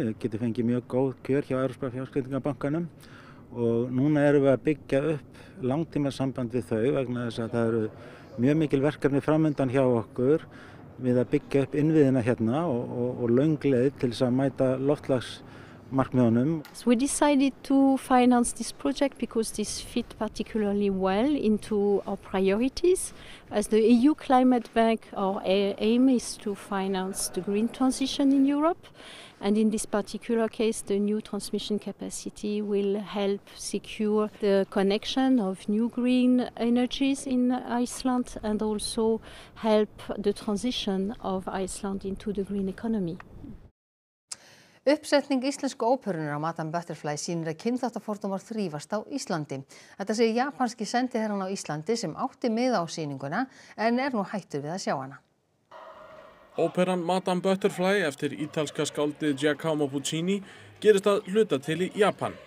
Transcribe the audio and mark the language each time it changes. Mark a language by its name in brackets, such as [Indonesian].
[Icelandic] Við getum fengið mjög góð kjör hjá Evrópska fjárfestingabankanum og núna erum við að byggja upp langtímasamband við þau vegna þess að það eru mjög mikil verkefni framundan hjá okkur við að byggja upp innviðina hérna og löng leið til þess að mæta loftslagsmarkmiðunum. [English] So we decided to finance this project because this fit particularly well into our priorities. As the EU Climate Bank, our aim is to finance the green transition in Europe. And in this particular case, the new transmission capacity will help secure the connection of new green energies in Iceland and also help the transition of Iceland into the green economy. [Icelandic] Uppsetning íslensku óperunar á Madame Butterfly sýnir að kynþáttafordómar þrífast á Íslandi. Þetta segir japanski sendiherrann á Íslandi sem átti miða á sýninguna en nú hættur við að sjá hana. Óperan Madame Butterfly eftir ítalska skáldið Giacomo Puccini gerist að hluta til í Japan.